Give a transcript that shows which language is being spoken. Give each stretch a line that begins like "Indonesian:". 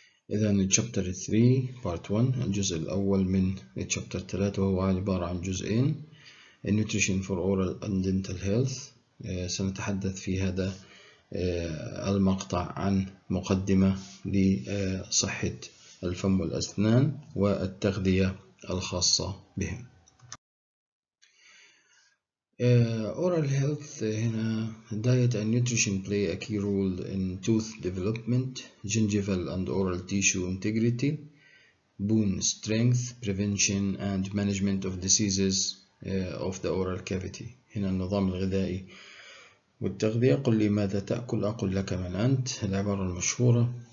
English: إذا Chapter 3 Part 1
Arabic: الجزء الأول من
English: Chapter 3،
Arabic: وهو عبارة عن جزئين،
English: Nutrition for Oral and Dental Health.
Arabic: سنتحدث في هذا المقطع عن مقدمة لصحة الفم والأسنان والتغذية الخاصة بهم.
English: Oral health هنا diet and nutrition play a key role in tooth development, gingival and oral tissue integrity, bone strength, prevention and management of diseases of the oral cavity.
Arabic: هنا النظام الغذائي والتغذية، قل لي ماذا تأكل أقول لك من أنت، العبارة المشهورة.